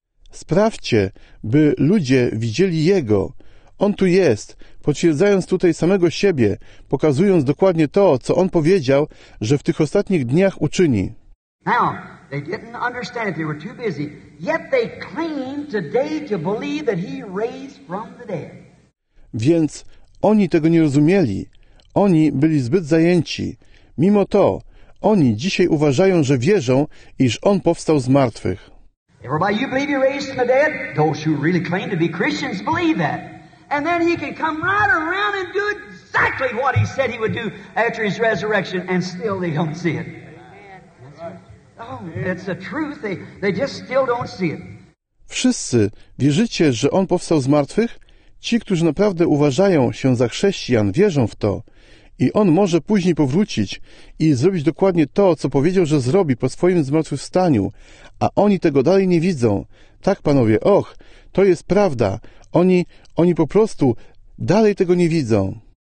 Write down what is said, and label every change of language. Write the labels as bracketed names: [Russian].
[Polish] Sprawdźcie, by ludzie widzieli Jego. On tu jest, potwierdzając tutaj samego siebie, pokazując dokładnie to, co on powiedział, że w tych ostatnich dniach uczyni. [English] Now, they didn't understand it, they were too busy. Yet they claim today to believe that he raised from the dead. [Polish] Więc oni tego nie rozumieli. Oni byli zbyt zajęci. Mimo to, oni dzisiaj uważają, że wierzą, iż on powstał z martwych. [English] Everybody, you believe he raised from the dead? Those who really claim to be Christians believe that. And then he can come right around and do exactly what he said he would do after his resurrection, and still they don't see it. Oh, it's the truth. They just still don't see it. [Polish] Wszyscy wierzycie, że on powstał z martwych? Ci, którzy naprawdę uważają się za chrześcijan, wierzą w to. I on może później powrócić i zrobić dokładnie to, co powiedział, że zrobi po swoim zmartwychwstaniu, a oni tego dalej nie widzą. Tak, panowie, och, to jest prawda. Oni po prostu dalej tego nie widzą.